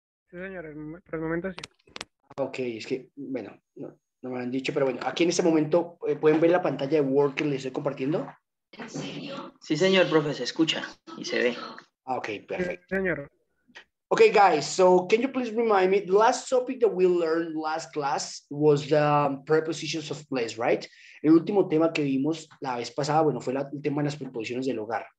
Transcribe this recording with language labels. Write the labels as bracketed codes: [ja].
[es] Sí, señor, por el momento sí. Ok, es que, bueno, no me han dicho, pero bueno, aquí en este momento pueden ver la pantalla de Word que les estoy compartiendo. ¿En serio? Sí, señor, profe, se escucha y se ve. Ok, perfecto. Sí, señor. [en] Ok, guys, so can you please remind me, the last topic that we learned last class was the prepositions of place, right? [es] El último tema que vimos la vez pasada, bueno, fue el tema de las preposiciones del hogar.